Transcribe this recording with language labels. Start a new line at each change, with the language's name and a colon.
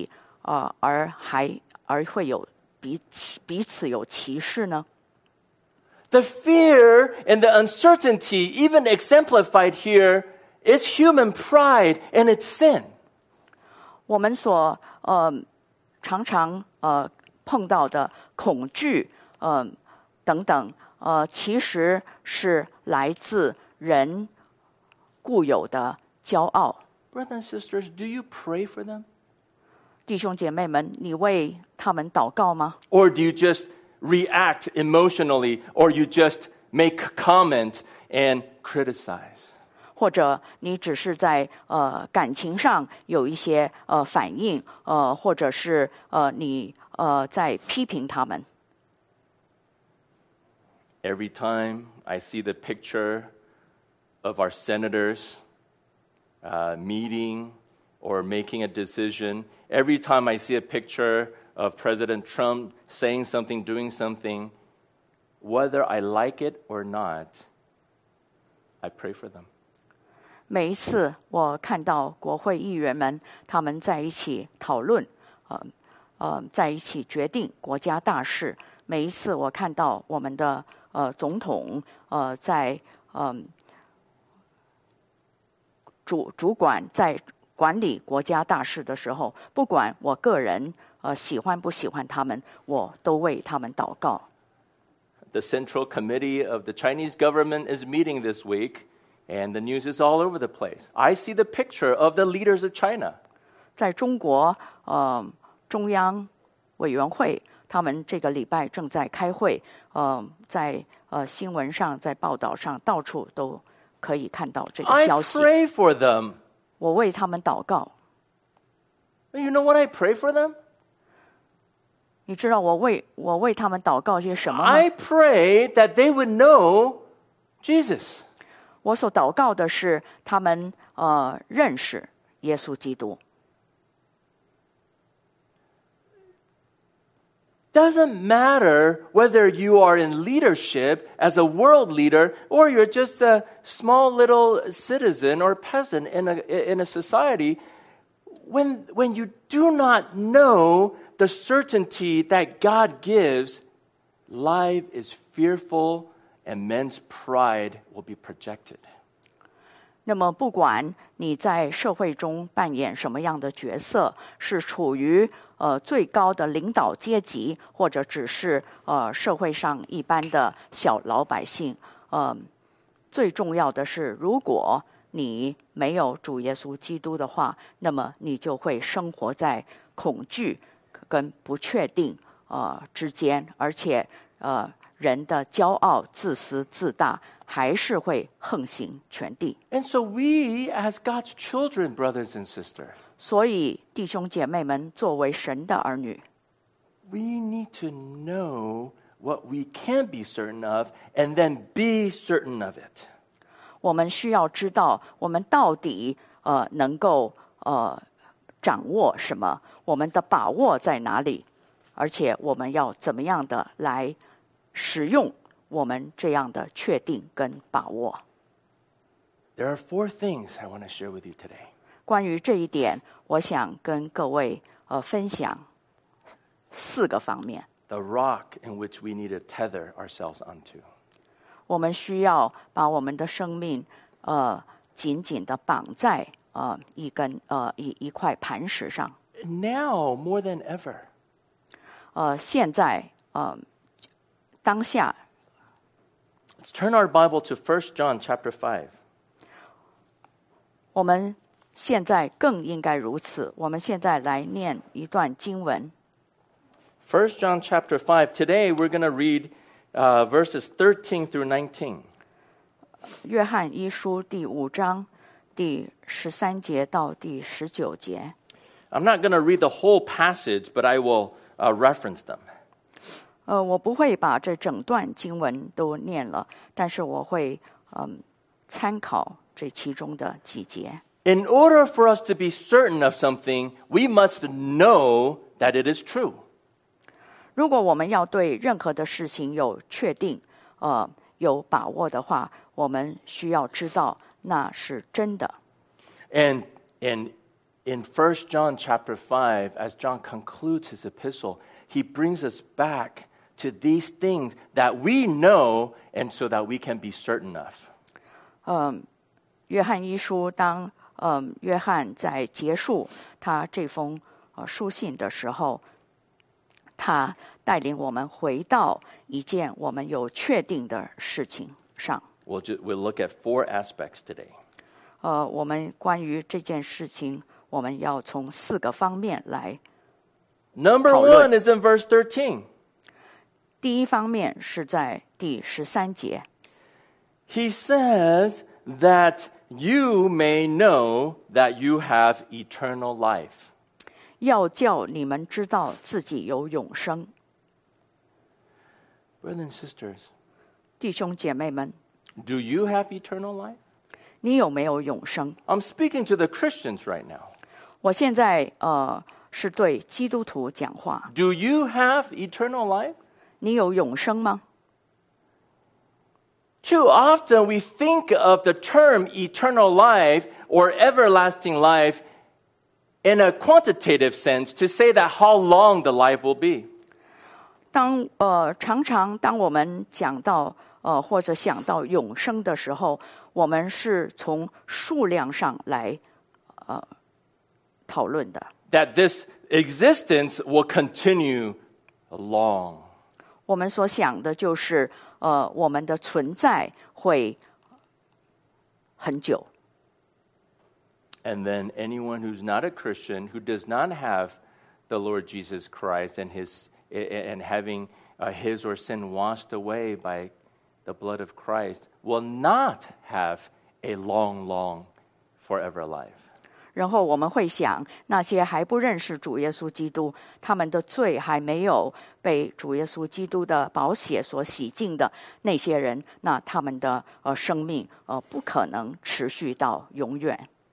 Chinese: 那么当然有些人有种种不同的职业，但是基督徒们怎么可能聚在一起而会有 彼此有歧视呢?
English: The fear and the uncertainty, even exemplified here, is human pride and it's sin.
Chinese: 我们所常常碰到的恐惧等等，其实是来自人固有的骄傲。
English: Brothers and sisters, do you pray for them?
Chinese: 弟兄姐妹们，你为他们祷告吗？
English: Or do you just react emotionally, or you just make comment and criticize?
Chinese: 或者你只是在感情上有一些反应，或者是你在批评他们。
English: Every time I see the picture of our senators meeting or making a decision, every time I see a picture of President Trump saying something, doing something, whether I like it or not, I pray for them.
Chinese: 每一次我看到国会议员们他们在一起讨论，在一起决定国家大事，每一次我看到我们的总统在主管在管理国家大事的时候，不管我个人喜欢不喜欢他们，我都为他们祷告。
English: The Central Committee of the Chinese government is meeting this week, and the news is all over the place. I see the picture of the leaders of China.
Chinese: 在中国，中央委员会他们这个礼拜正在开会，在新闻上，在报道上，到处都可以看到这个消息。
English: I pray for them.
Chinese: 我为他们祷告。
English: You know what I pray for them?
Chinese: 你知道我为他们祷告些什么吗？
English: I pray that they would know Jesus.
Chinese: 我所祷告的是他们认识耶稣基督。
English: Doesn't matter whether you are in leadership as a world leader or you're just a small little citizen or peasant in a society. When you do not know the certainty that God gives, life is fearful and men's pride will be projected.
Chinese: 那么不管你在社会中扮演什么样的角色，是处于最高的领导阶级，或者只是社会上一般的小老百姓，最重要的是，如果你没有主耶稣基督的话，那么你就会生活在恐惧跟不确定之间，而且人的骄傲、自私、自大还是会横行全地。
English: And so we, as God's children, brothers and sisters,
Chinese: 所以弟兄姐妹们，作为神的儿女，
English: we need to know what we can be certain of, and then be certain of it.
Chinese: 我们需要知道我们到底能够掌握什么，我们的把握在哪里，而且我们要怎么样的来使用我们这样的确定跟把握。
English: There are four things I want to share with you today.
Chinese: 关于这一点，我想跟各位分享四个方面。
English: The rock in which we need to tether ourselves onto.
Chinese: 我们需要把我们的生命紧紧的绑在一块磐石上。
English: Now more than ever.
Chinese: 现在当下。
English: Let's turn our Bible to 1 John chapter 5.
Chinese: 我们现在更应该如此。我们现在来念一段经文。
English: 1 John chapter 5. Today we're going to read verses 13 through 19.
Chinese: 约翰一书第五章第十三节到第十九节。
English: I'm not going to read the whole passage, but I will reference them.
Chinese: 我不会把这整段经文都念了，但是我会参考这其中的几节。
English: In order for us to be certain of something, we must know that it is true.
Chinese: 如果我们要对任何的事情有确定，有把握的话，我们需要知道那是真的。
English: And in 1 John chapter 5, as John concludes his epistle, he brings us back to these things that we know and so that we can be certain of.
Chinese: 约翰一书当约翰在结束他这封书信的时候，他带领我们回到一件我们有确定的事情上。
English: We'll look at four aspects today.
Chinese: 我们关于这件事情，我们要从四个方面来讨论。
English: Number one is in verse 13.
Chinese: 第一方面是在第十三节。
English: He says that you may know that you have eternal life.
Chinese: 要叫你们知道自己有永生。
English: Brothers and sisters,
Chinese: 弟兄姐妹们,
English: do you have eternal life?
Chinese: 你有没有永生?
English: I'm speaking to the Christians right now.
Chinese: 我现在是对基督徒讲话。
English: Do you have eternal life?
Chinese: 你有永生吗?
English: Too often we think of the term eternal life or everlasting life in a quantitative sense to say that how long the life will be.
Chinese: 常常当我们讲到或者想到永生的时候，我们是从数量上来讨论的。
English: That this existence will continue long.
Chinese: 我们所想的就是我们的存在会很久。
English: And then anyone who's not a Christian, who does not have the Lord Jesus Christ and his... And having his or sin washed away by the blood of Christ will not have a long, long, forever life.
Chinese: 然后我们会想，那些还不认识主耶稣基督，他们的罪还没有被主耶稣基督的宝血所洗净的那些人，那他们的生命不可能持续到永远。